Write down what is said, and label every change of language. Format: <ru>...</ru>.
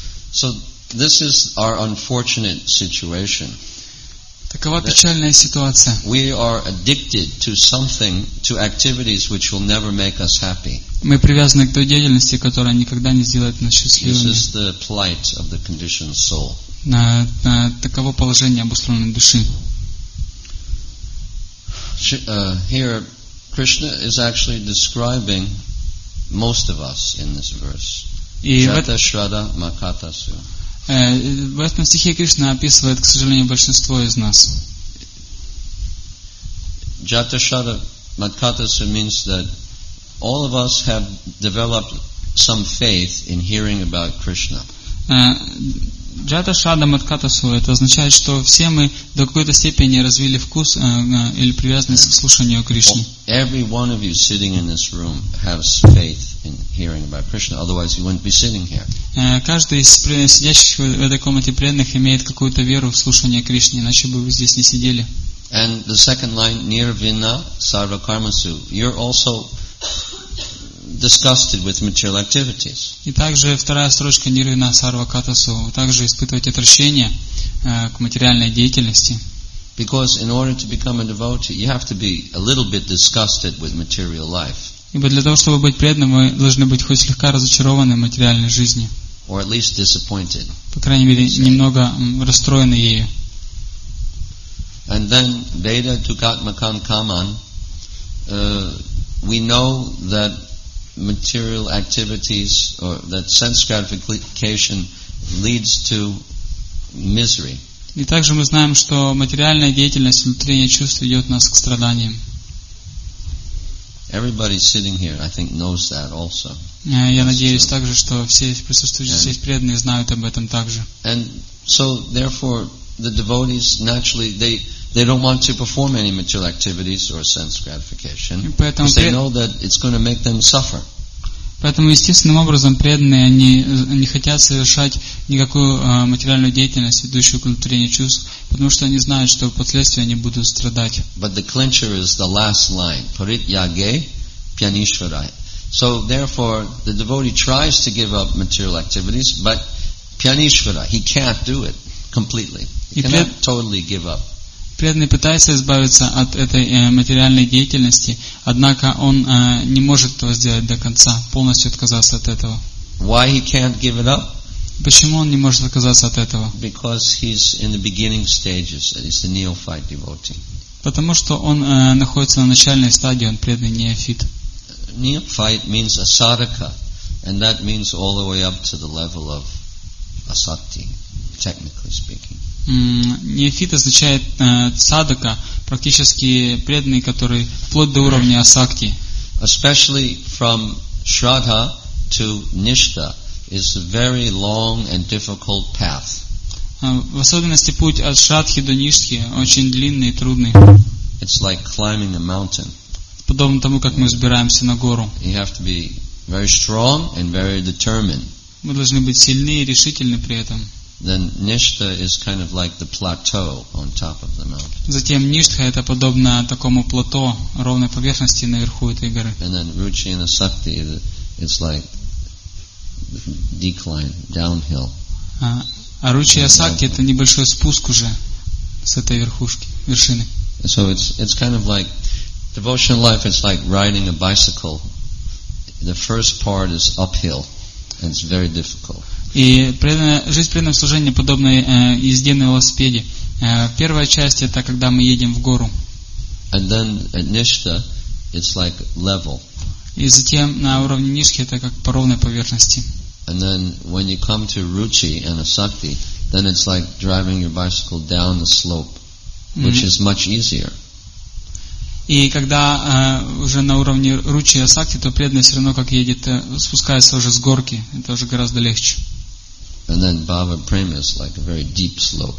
<en>So this is our unfortunate situation.</en> <ru>Такова печальная ситуация.</ru> <en>We are addicted to something, to activities which will never make us happy.</en> <ru>Мы привязаны к той деятельности, которая никогда не сделает нас счастливыми.</ru> <en>This is the plight of the conditioned soul.</en> <ru>Таково положение обусловленной души.</ru> <en>Here, Krishna is actually describing most of us in this verse.</en> <ru>В этом стихе Кришна описывает, к сожалению, большинство из нас.</ru> <sa>Jata Shraddha Matkatasu</sa> <en>means that all of us have developed some faith in hearing about Krishna.</en> <sa>Jata Shraddha Matkatasu</sa> <ru>это означает, что все мы до какой-то степени развили вкус или привязанность к слушанию Кришны.</ru> <en>Every one of you sitting in this room has faith. In hearing about Krishna, otherwise you wouldn't be sitting here.</en> <ru>Каждый из сидящих в этой комнате преданных имеет какую-то веру в слушание Кришны, иначе бы вы здесь не сидели.</ru> <en>And the second line,</en> <sa>nirvina sarva karmasu,</sa> <en>you're also disgusted with material activities.</en> <ru>И также вторая строчка</ru> <sa>nirvina sarva katasu,</sa> <ru>также испытывать отвращение к материальной деятельности.</ru> <en>Because in order to become a devotee, you have to be a little bit disgusted with material life.</en> <ru>Ибо для того, чтобы быть преданным, мы должны быть хоть слегка разочарованы в материальной жизни.</ru> <en>Or at least disappointed.</en> <ru>По крайней мере, немного расстроены ею.</ru> <en>And then,</en> <sa>Veda Tukatmakan Kaman,</sa> <en>we know that material activities, or that sense gratification leads to misery.</en> <ru>И также мы знаем, что материальная деятельность, внутреннее чувство ведет нас к страданиям.</ru> <en>Everybody sitting here, I think, knows that also.</en> <ru>Я надеюсь также, что все присутствующие здесь преданные знают об этом также.</ru> <en>And so, therefore, the devotees naturally they don't want to perform any material activities or sense gratification, because they know that it's going to make them suffer.</en> <ru>Поэтому естественным образом преданные они не хотят совершать никакую материальную деятельность, ведущую к удовлетворению чувств, потому что они знают, что впоследствии они будут страдать.</ru> <en>But the clincher is the last line,</en> <sa>Parityage Pyanishvarai.</sa> <en>So therefore, the devotee tries to give up material activities, but Pyanishvara, he can't do it. completely. You cannot totally give up.</en> <ru>Преданный пытается избавиться от этой материальной деятельности, однако он не может этого сделать до конца, полностью отказаться от этого.</ru> <en>Why he can't give it up?</en> <ru>Почему он не может отказаться от этого?</ru> <en>Because he's in the beginning stages, and he's a neophyte devotee.</en> <ru>Потому что он находится на начальной стадии, он преданный неофит.</ru> <en>Neophyte means asarika, and that means all the way up to the level of asati, technically speaking.</en> <ru>Неофит означает садака, практически преданный, который вплоть до уровня асакти.</ru> <en>Especially from shraddha to nishta is a very long and difficult path.</en> <ru>В особенности путь от шрадхи до ништхи очень длинный и трудный.</ru> <en>It's like climbing a mountain.</en> <ru>Подобно тому, как мы взбираемся на гору.</ru> <en>You have to be very strong and very determined.</en> <ru>Мы должны быть сильны и решительны при этом.</ru> <en>Then nishta is kind of like the plateau on top of the mountain.</en> <ru>Затем ништха это подобно такому плато, ровной поверхности наверху этой горы.</ru> <en>And then ruchi and asakti is like decline, downhill.</en> <ru>А ruchi</ru> <en>and</en> <ru>asakti это небольшой спуск уже с этой верхушки, вершины.</ru> <en>So it's kind of like devotional life. It's like riding a bicycle. The first part is uphill, and it's very difficult.</en> <ru>И жизнь преданного служения подобна езде на велосипеде. Первая часть это когда мы едем в гору.</ru> <en>And then at nishta, it's like level.</en> <ru>И затем на уровне нишки это как по ровной поверхности.</ru> <en>And then when you come to ruchi and asakti, then it's like driving your bicycle down the slope, which is much easier.</en> <ru>И когда уже на уровне ruchi и asakti, то преданный все равно как едет, спускается уже с горки, это уже гораздо легче.</ru> <en>And then Bhava Prema is like a very deep slope.</en>